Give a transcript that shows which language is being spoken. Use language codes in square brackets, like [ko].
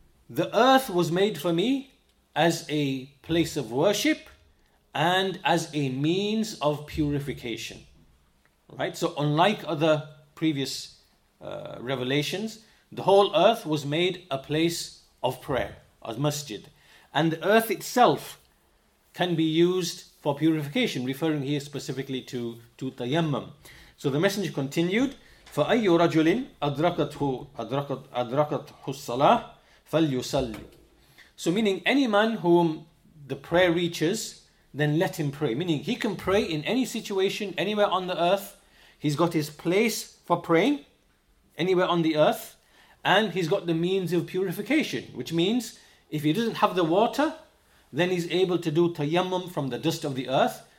[en] The earth was made for me as a place of worship and as a means of purification. Right? So unlike other previous revelations, the whole earth was made a place of prayer, a masjid. And the earth itself can be used for purification, referring here specifically to tayammum. So the Messenger continued, [ar] فَأَيُّ رَجُلٍ أَدْرَكَتْهُ الصَّلَاةِ فَلْيُسَلِّ. [en] So meaning any man whom the prayer reaches, then let him pray. Meaning he can pray in any situation, anywhere on the earth. He's got his place for praying anywhere on the earth. And he's got the means of purification, which means if he doesn't have the water, then he's able to do tayammum from the dust of the earth.